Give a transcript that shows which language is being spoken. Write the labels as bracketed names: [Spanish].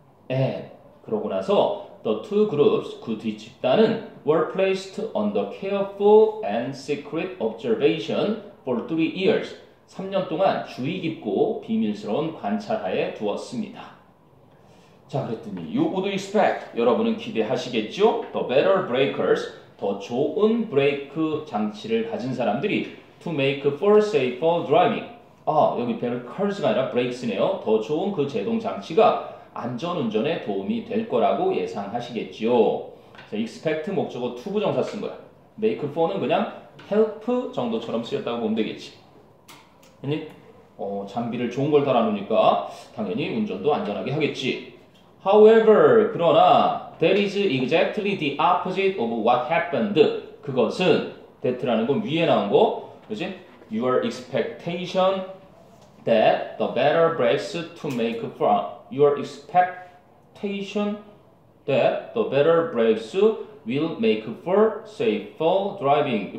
[English] And [Korean] 그러고 나서 [English] the two groups, [Korean] 그 뒷집단은 [English] were placed under careful and secret observation for 3 years. [Korean] 3년 동안 주의 깊고 비밀스러운 관찰하에 두었습니다. 자, 그랬더니 [English] you would expect, [Korean] 여러분은 기대하시겠죠? [English] The better breakers, [Korean] 더 좋은 브레이크 장치를 가진 사람들이 [English] to make for safer driving. [Korean] 아, 여기 better cars가 아니라 brakes네요. 더 좋은 그 제동 장치가 안전운전에 도움이 될 거라고 예상하시겠지요. 자, expect 목적어 to 부정사 쓴 거야. make for는 그냥 help 정도처럼 쓰였다고 보면 되겠지. 아니, 장비를 좋은 걸 달아놓으니까 당연히 운전도 안전하게 하겠지. [English] However, [Korean] 그러나 [English] that is exactly the opposite of what happened. [Korean] 그것은 that라는 건 위에 나온 거, 그지? [English] Your expectation that the better brakes to make from. Your expectation that the better brakes will make for safer driving.